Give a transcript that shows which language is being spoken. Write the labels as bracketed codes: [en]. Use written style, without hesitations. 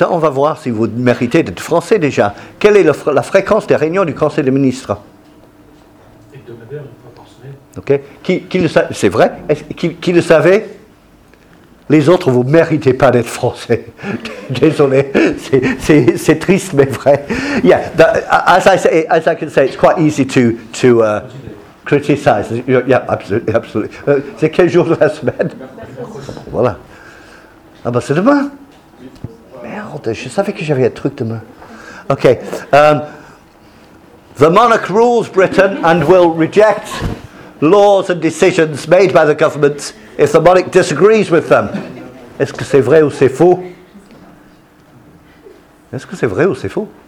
[fr] On va voir si vous méritez d'être français déjà. Quelle est la fréquence des réunions du Conseil des ministres? Hebdomadaire, une fois par semaine. Ok. Qui le sait? C'est vrai? Qui le savait? Les autres, vous ne méritez pas d'être français. Désolé, c'est triste, mais vrai. [en] Yeah, as I can say, it's quite easy to criticize. Yeah, absolutely, absolutely. [fr] C'est quel jour de la semaine? Voilà. Ah ben c'est demain? Merde, je savais que j'avais un truc demain. Ok. [en] The monarch rules Britain and will reject laws and decisions made by the government if the monarch disagrees with them. [fr] Est-ce que c'est vrai ou c'est faux? Est-ce que c'est vrai ou c'est faux?